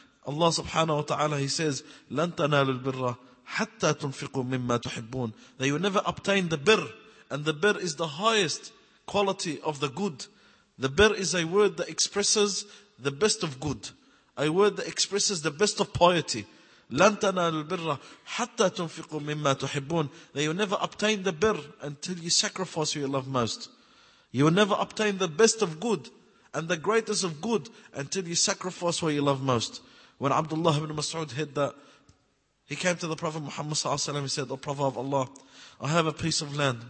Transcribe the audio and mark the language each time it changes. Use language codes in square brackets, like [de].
[en] Allah subhanahu wa ta'ala, he says, [ar] لَن تَنَالُ الْبِرَّ حَتَّى تُنْفِقُوا مِمَّا تُحِبُّونَ, [en] that you never obtain the birr. And the birr is the highest quality of the good. The birr is a word that expresses the best of good. A word that expresses the best of piety. [ar] لن تنالوا البر حتى تنفقوا مما تحبون. [en] That you never obtain the birr until you sacrifice who you love most. You will never obtain the best of good and the greatest of good until you sacrifice what you love most. When Abdullah ibn Mas'ud heard that, he came to the Prophet Muhammad sallallahu alaihi wasallam. He said, "O Prophet of Allah, I have a piece of land.